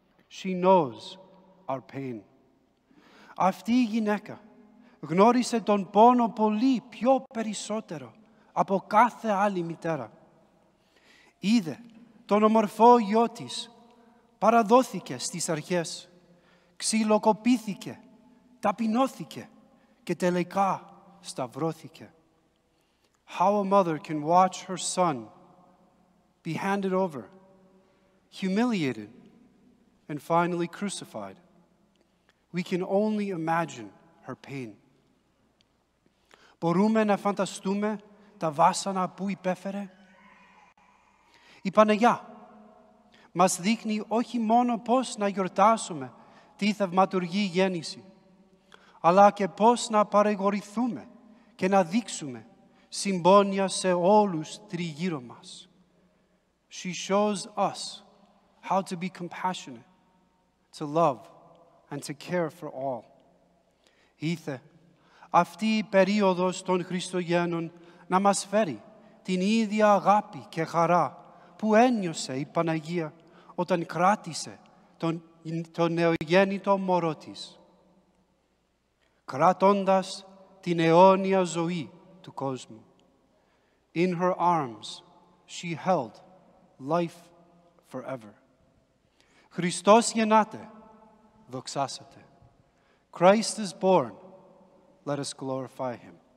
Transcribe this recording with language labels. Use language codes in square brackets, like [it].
[en] She knows our pain. [el] Αυτή η γυναίκα γνώρισε τον πόνο πολύ πιο περισσότερο από κάθε άλλη μητέρα. Είδε τον ομορφό γιο της, παραδόθηκε στις αρχές, ξυλοκοπήθηκε, ταπεινώθηκε και τελικά σταυρώθηκε. [en] How a mother can watch her son be handed over, humiliated, and finally crucified. We can only imagine her pain. [el] Μπορούμε να φανταστούμε τα βάσανα που υπέφερε? Η Παναγιά μας δείχνει όχι μόνο πώς να γιορτάσουμε τη θαυματουργή γέννηση, αλλά και πώς να παρηγορηθούμε και να δείξουμε συμπόνια σε όλους τριγύρω μας. [en] She shows us how to be compassionate, to love, and to care for all. [el] Ήθε αυτή η περίοδος των Χριστουγέννων να μας φέρει την ίδια αγάπη και χαρά που ένιωσε η Παναγία όταν κράτησε τον νεογέννητο μωρό της, κρατώντας την αιώνια ζωή του κόσμου. [en] In her arms, she held life forever. [el] Χριστός γεννάται, δοξάσατε. [en] Christ is born, let us glorify him.